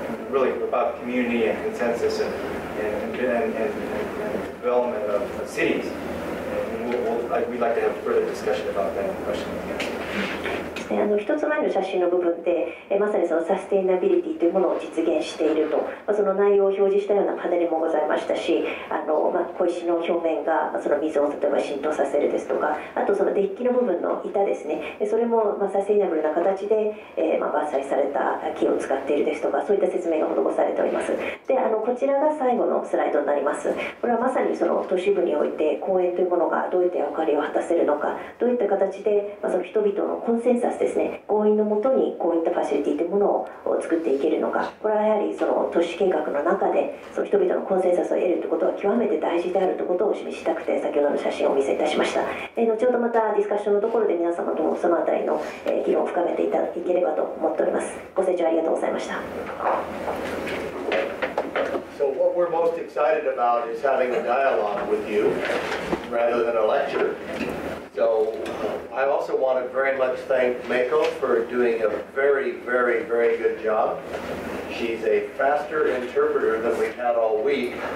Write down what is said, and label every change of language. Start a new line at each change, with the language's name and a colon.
English: Really about community and consensus and development of cities. And we'd like to have further discussion about that question again.
Japanese: あの一つ前の写真の部分でまさにそのサステイナビリティというものを実現していると、まあ、その内容を表示したようなパネルもございましたし、あの、まあ、小石の表面が、まあ、その水を例えば浸透させるですとか、あとそのデッキの部分の板ですね、それも、まあ、サステイナブルな形で、まあ、伐採された木を使っているですとか、そういった説明が施されております。であのこちらが最後のスライドになります。これはまさにその都市部において公園というものがどういった役割を果たせるのか、どういった形で、まあ、その人々のコンセンサスですね、合意のもとにこういったファシリティというものを作っていけるのか、これはやはりその都市計画の中でその人々のコンセンサスを得るということは極めて大事であるということを示したくて先ほどの写真をお見せいたしました。後ほどまたディスカッションのところで皆様ともそのあたりの議論を深めていただければと思っております。ご清聴ありがとうございました。
English: So what we're most excited about is having a dialogue with you rather than a lectureSo, I also want to very much thank Mako for doing a very, very, very good job. She's a faster interpreter than we've had all week.